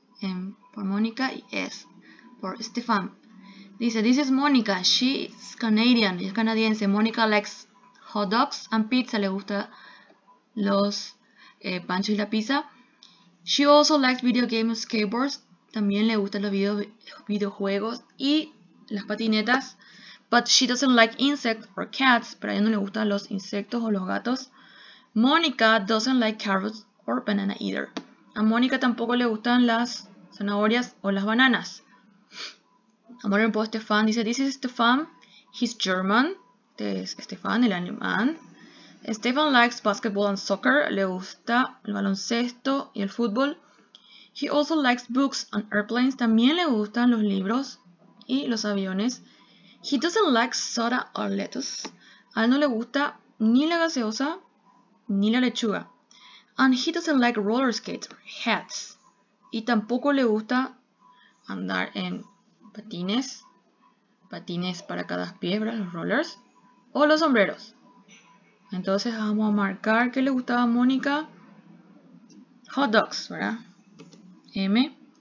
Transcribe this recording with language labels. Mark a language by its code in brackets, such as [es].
[es] M por Mónica y S por Stefan. [en] Dice, this is Mónica, she's Canadian. [es] Ella es canadiense. [en] Mónica likes hot dogs and pizza. [es] Le gusta los panchos y la pizza. [en] She also likes video games, skateboards. [es] También le gustan los videojuegos y las patinetas. [en] But she doesn't like insects or cats. [es] Pero a ella no le gustan los insectos o los gatos. [en] Mónica doesn't like carrots or banana either. [es] A Mónica tampoco le gustan las zanahorias o las bananas. Amor en post Stefan dice, [en] this is Stefan. He's German. [es] Este es Stefan, el alemán. [en] Stefan likes basketball and soccer. [es] Le gusta el baloncesto y el fútbol. [en] He also likes books and airplanes. [es] También le gustan los libros y los aviones. [en] He doesn't like soda or lettuce. [es] A él no le gusta ni la gaseosa ni la lechuga. [en] And he doesn't like roller skates or hats. [es] Y tampoco le gusta andar en patines. Patines para cada pie, ¿verdad? Los rollers. O los sombreros. Entonces vamos a marcar qué le gustaba a Mónica. Hot dogs, ¿verdad? M.